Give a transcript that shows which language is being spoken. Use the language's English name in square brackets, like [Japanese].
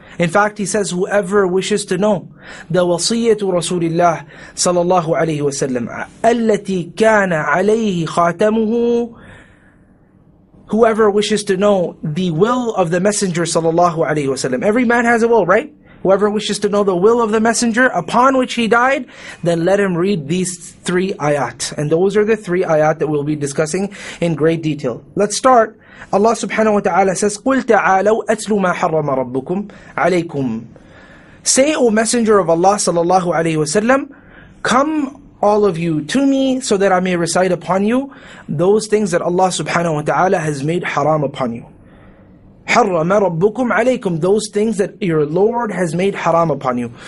[English] In fact, he says, whoever wishes to know the wasiyyah of Rasulullah sallallahu alayhi wa sallam [Arabic] allati kana alayhi khatamuhu, [English] whoever wishes to know the will of the Messenger sallallahu alayhi wasallam. Every man has a will, right? Whoever wishes to know the will of the Messenger upon which he died, then let him read these three ayat. And those are the three ayat that we'll be discussing in great detail. Let's start. [Arabic] Allah subhanahu wa ta'ala says, قُلْ تَعَالَوْا أَتْلُوا مَا حَرَّمَ رَبُّكُمْ عَلَيْكُمْ. [English] Say, O Messenger of Allah sallallahu alayhi wasallam, come all of you to me so that I may recite upon you those things that Allah subhanahu wa ta'ala has made haram upon you. [Arabic] حَرَّمَ رَبُّكُمْ عَلَيْكُمْ, [English] those things that your Lord has made haram upon you.